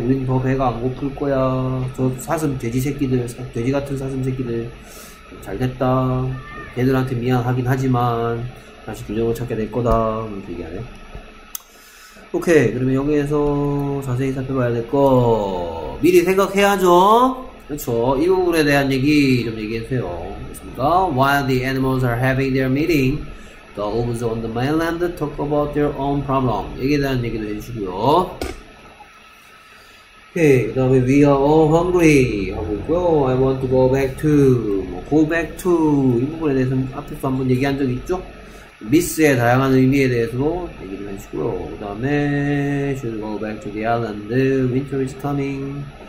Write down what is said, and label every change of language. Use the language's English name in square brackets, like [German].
[Korean] 우린 더 배가 안 고플 거야. 저 사슴 돼지 새끼들, 돼지 같은 사슴 새끼들 잘됐다. 걔들한테 미안하긴 하지만 다시 규정을 찾게 될 거다. 이렇게 얘기하네. 오케이. 그러면 여기에서 자세히 살펴봐야 될 거. 미리 생각해야죠. 그렇죠. 이 부분에 대한 얘기 좀 얘기해주세요. 알겠습니다. [English] While the animals are having their meeting, the wolves on the mainland talk about their own problem. [Korean] 여기에 대한 얘기도 해주시고요. [English] 오케이. [Korean] 그 다음에 [English] we are all hungry [Korean] 하고 있고요. [English] I want to go back to. 뭐, go back to. [Korean] 이 부분에 대해서는 앞에서 한번 얘기한 적 있죠? miss의 다양한 의미에 대해서도 얘기를 해주시고요. 그 다음에 [English] should go back to the island. Winter is coming.